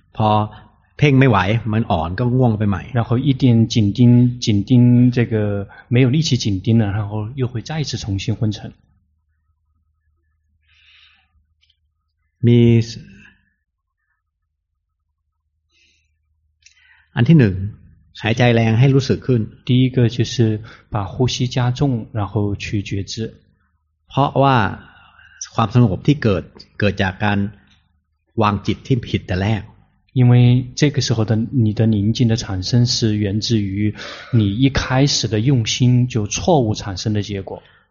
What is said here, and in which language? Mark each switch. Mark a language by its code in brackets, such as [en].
[th] พอเพ่งไม่ไหวมันอ่อนก็ง่วงไปใหม่ [zh] 然后一旦紧盯这个没有力气紧盯了然后又会再一次重新昏沉 [th] มีอันที่หนึ่งหายใจแรงให้รู้สึกขึ้น [zh] 第一个就是把呼吸加重然后去觉知 [th] เพราะว่าความสงบที่เกิดจากการวางจิตที่ผิดแต่แรก [zh] 因为这个时候的你的宁静的产生是源自于你一开始的用心就错误产生的结果